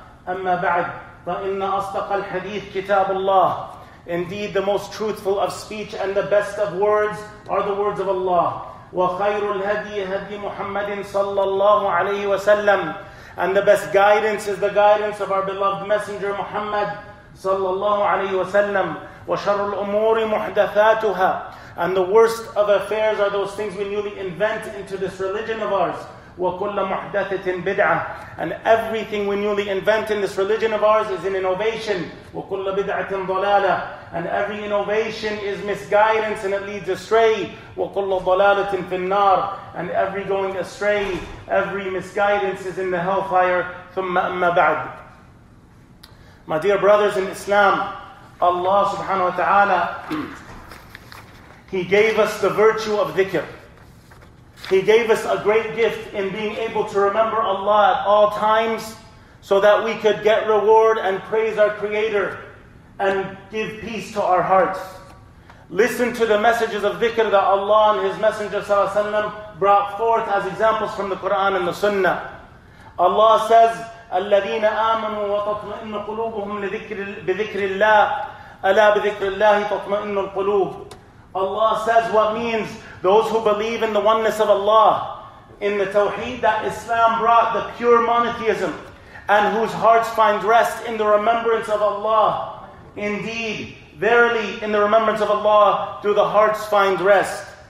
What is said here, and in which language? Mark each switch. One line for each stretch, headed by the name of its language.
Arabic: أما بعد، فإن أصدق الحديث كتاب الله.
English: Indeed, the most truthful of speech and the best of words are the words of Allah.
Arabic: وخير الهدي هدي محمد صلى الله عليه وسلم.
English: And the best guidance is the guidance of our beloved messenger Muhammad
Arabic: صلى الله عليه وسلم. وشر الأمور محدثاتها.
English: And the worst of affairs are those things we newly invent into this religion of ours.
Arabic: وكل محدثة بدعة.
English: And everything we newly invent in this religion of ours is an innovation.
Arabic: وكل بدعة ضلالة.
English: And every innovation is misguidance and it leads astray.
Arabic: وكل ضلالة في النار.
English: And every going astray, every misguidance is in the hellfire.
Arabic: ثم أما بعد.
English: My dear brothers in Islam, Allah subhanahu wa ta'ala, He gave us the virtue of dhikr. He gave us a great gift in being able to remember Allah at all times so that we could get reward and praise our Creator and give peace to our hearts. Listen to the messages of dhikr that Allah and His Messenger sallallahu alaihi wasallam brought forth as examples from the Quran and the Sunnah. Allah says,
Arabic: الَّذِينَ آمَنُوا وَتَطْمَئِنُّ قُلُوبُهُمْ بِذِكْرِ اللَّهِ أَلَا بِذِكْرِ اللَّهِ تَطْمَئِنُّ الْقُلُوبُ.
English: Allah says what means those who believe in the oneness of Allah, in the Tawheed that Islam brought, the pure monotheism, and whose hearts find rest in the remembrance of Allah. Indeed, verily, in the remembrance of Allah do the hearts find rest.